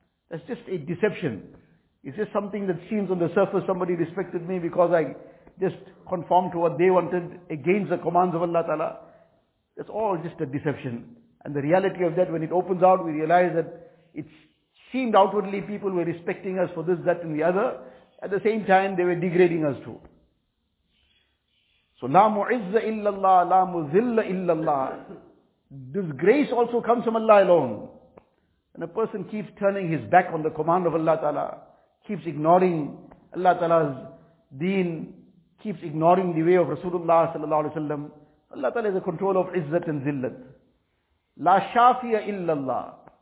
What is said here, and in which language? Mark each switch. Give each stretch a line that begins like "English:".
English: That's just a deception. It's just something that seems on the surface somebody respected me because I just conformed to what they wanted against the commands of Allah Ta'ala. That's all just a deception. And the reality of that, when it opens out, we realize that it seemed outwardly people were respecting us for this, that and the other. At the same time, they were degrading us too. So,
Arabic: لا معز إلا الله لا مذل إلا الله.
English: This grace also comes from Allah alone. And a person keeps turning his back on the command of Allah Ta'ala, keeps ignoring Allah Ta'ala's deen, keeps ignoring the way of Rasulullah sallallahu alayhi wa sallam. Allah Ta'ala is the controller of izzat and zillat.
Arabic: لا شافية إلا الله.